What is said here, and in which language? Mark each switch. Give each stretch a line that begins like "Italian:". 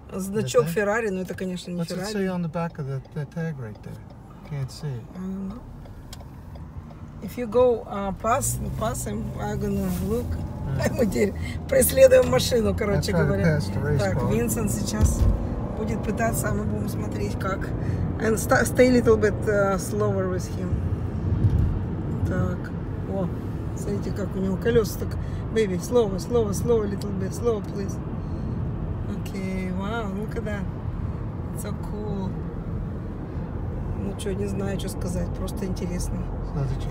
Russian: Значок Феррари, но это, конечно, не Феррари.
English: Let's see on the back of the tag right there. Can't see it. If you go pass him, I'm gonna look.
Russian: Мы преследуем машину, короче говоря. Так, Винсент сейчас будет пытаться, а мы будем смотреть, как.
English: And stay a little bit slower with him.
Russian: Так, о, смотрите, как у него колеса так.
English: Baby, slow, a little bit, slow, please. Окей, вау, look at that. It's so cool.
Russian: Ну что, не знаю, что сказать, просто интересно.
English: So